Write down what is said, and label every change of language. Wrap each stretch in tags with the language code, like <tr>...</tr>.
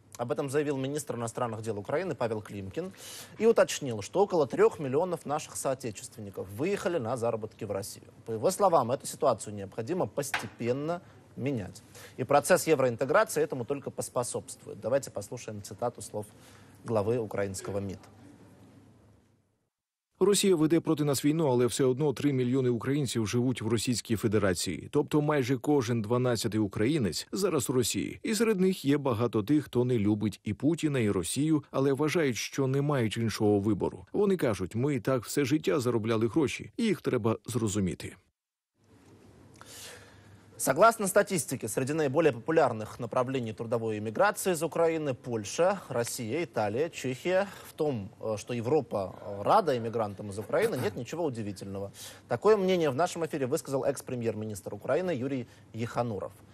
<ru>Об этом заявил министр иностранных дел Украины Павел Климкин и уточнил, что около 3 миллионов наших соотечественников выехали на заработки в Россию. По его словам, эту ситуацию необходимо постепенно менять. И процесс евроинтеграции этому только поспособствует. Давайте послушаем цитату слов главы украинского МИД.</ru> <uk>Росія веде проти нас війну, але все одно 3 мільйони українців живуть в Російській Федерації. Тобто майже кожен 12-й українець зараз у Росії. І серед них є багато тих, хто не любить і Путіна, і Росію, але вважають, що не мають іншого вибору. Вони кажуть, ми так все життя заробляли гроші, і їх треба зрозуміти.</uk> <ru>Согласно статистике, среди наиболее популярных направлений трудовой эмиграции из Украины – Польша, Россия, Италия, Чехия. В том, что Европа рада эмигрантам из Украины, нет ничего удивительного. Такое мнение в нашем эфире высказал экс-премьер-министр Украины Юрий Яхануров.</ru>